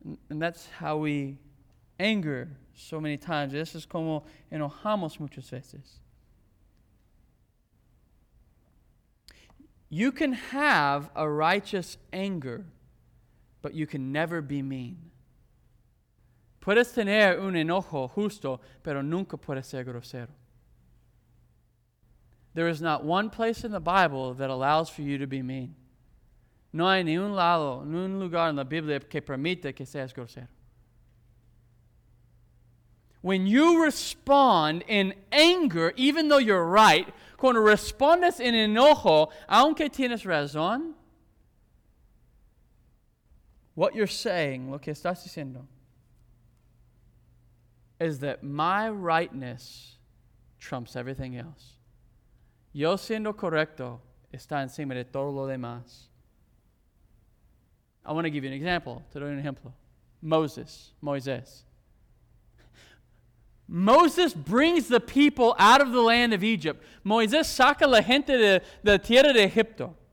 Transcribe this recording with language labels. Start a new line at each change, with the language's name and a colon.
English: And that's how we anger so many times. This is
Spanish: como enojamos muchas veces.
English: You can have a righteous anger, but you can never be mean.
Spanish: Puedes tener un enojo justo, pero nunca puedes ser grosero.
English: There is not one place in the Bible that allows for you to be mean.
Spanish: No hay ni un lado, ni un lugar en la Biblia que permita que seas grosero.
English: When you respond in anger, even though you're right,
Spanish: cuando respondes en enojo, aunque tienes razón,
English: what you're saying,
Spanish: lo que estás diciendo,
English: is that my rightness trumps everything else.
Spanish: Yo siendo correcto está encima de todo lo demás.
English: I want to give you an example.
Spanish: Te doy un ejemplo.
English: Moisés. Moses brings the people out of the land of Egypt.
Spanish: Moisés saca la gente de la tierra de Egipto.